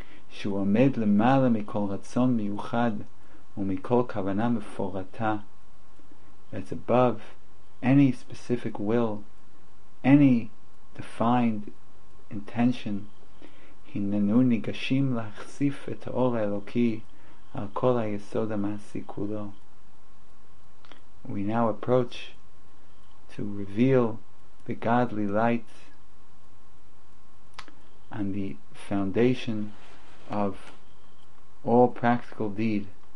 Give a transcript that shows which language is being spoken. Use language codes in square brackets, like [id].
[he] שהוא עומד למעלה מכל רצון מיוחד ומכל כוונה מפורטה. [en] That's above any specific will, any defined intention. [he] הננו ניגשים להחשיף את האור האלוקי על כל היסוד המעשי כולו. [en] We now approach to reveal the godly light on the foundation of all practical deed.